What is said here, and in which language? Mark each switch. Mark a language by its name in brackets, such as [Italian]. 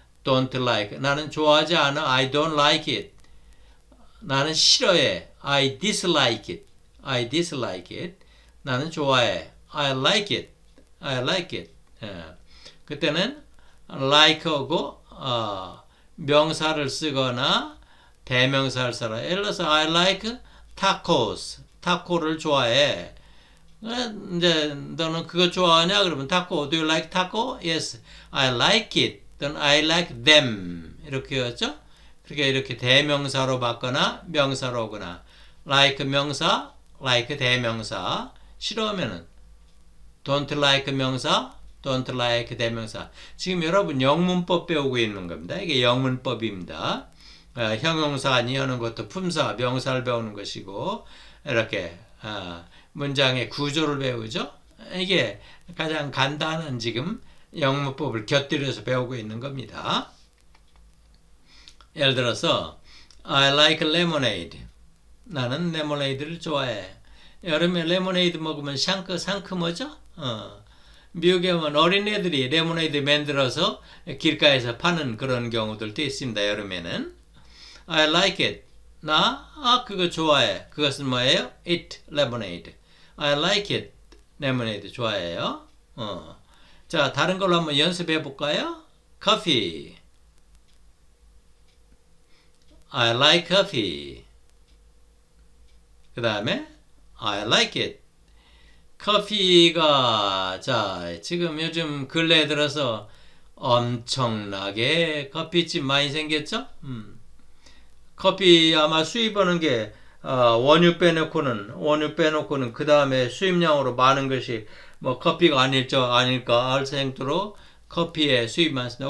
[English] don't like. [Korean] 나는 좋아하지 않아. [English] I don't like it. [Korean] 나는 싫어해. [English] I dislike it. I dislike it. [Korean] 나는 좋아해. [English] I like it. I like it. [Korean] 그때는 like하고 명사를 쓰거나 대명사를 써라. 예를 들어서 [English] I like tacos. [Korean] 타코를 좋아해. 이제 너는 그거 좋아하냐? 그러면 타코. [English] Do you like taco? Yes, I like it. Then I like them. [Korean] 이렇게 했죠? 그렇게 이렇게 대명사로 바꾸거나 명사로 오거나 like 명사, like 대명사. 싫어하면은 don't like 명사, don't like 대명사. 지금 여러분 영문법 배우고 있는 겁니다. 이게 영문법입니다. 형용사 아니하는 것도 품사, 명사를 배우는 것이고 이렇게. 문장의 구조를 배우죠? 이게 가장 간단한 지금 영문법을 곁들여서 배우고 있는 겁니다. 예를 들어서, [English] I like lemonade. [Korean] 나는 레모네이드를 좋아해. 여름에 레모네이드 먹으면 상큼하죠? 미국에 오면 어린애들이 레모네이드 만들어서 길가에서 파는 그런 경우들도 있습니다. 여름에는. [English] I like it. [Korean] 그거 좋아해. 그것은 뭐예요? [English] Eat lemonade. I like it. [Korean] 레모네이드 좋아해요. 자, 다른 걸로 한번 연습해 볼까요? [English] Coffee. I like coffee. 그다음에 I like it. [Korean] 커피가 자, 지금 요즘 근래에 들어서 엄청나게 커피집 많이 생겼죠? 커피 아마 수입 버는 게 원유 빼놓고는 그 다음에 수입량으로 많은 것이 뭐 커피가 아닐까 아닐까 할 정도로 커피의 수입이 많습니다.